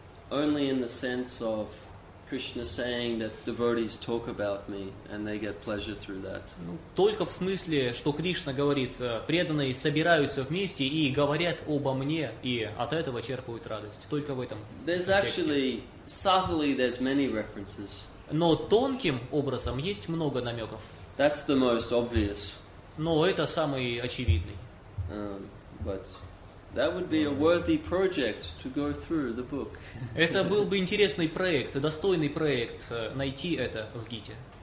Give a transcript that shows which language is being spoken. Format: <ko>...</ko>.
<en>Only in the sense of Krishna saying that devotees talk about me and they get pleasure through that.</en> <ru>Только в смысле, что Кришна говорит, преданные собираются вместе и говорят обо мне и от этого черпают радость. Только в этом.</ru> <en>There's actually subtly there's many references.</en> <ru>Но тонким образом есть много намеков.</ru> <en>That's the most obvious.</en> <ru>Но это самый очевидный.</ru> <en>But that would be a worthy project to go through the book.</en> <ru>Это был бы интересный проект, достойный проект найти это в Гите.</ru>